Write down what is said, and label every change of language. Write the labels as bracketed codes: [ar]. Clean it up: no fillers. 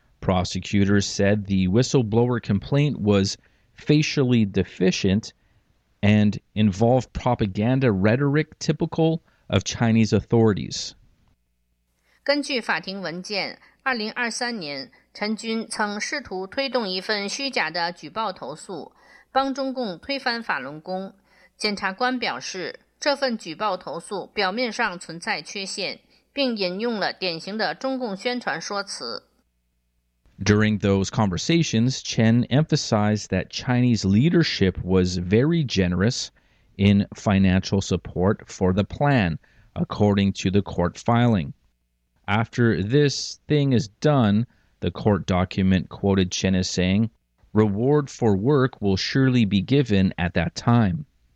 [en] Prosecutors said the whistleblower complaint was facially deficient and involved propaganda rhetoric typical of Chinese authorities. [zh] 根据法庭文件， 2023年， 陈军曾试图推动一份虚假的举报投诉，帮中共推翻法轮功。检察官表示，这份举报投诉表面上存在缺陷，并引用了典型的中共宣传说辞。 [en] During those conversations, Chen emphasized that Chinese leadership was very generous in financial support for the plan, according to the court filing. After this thing is done, the court document quoted Chen as saying, reward for work will surely be given at that time.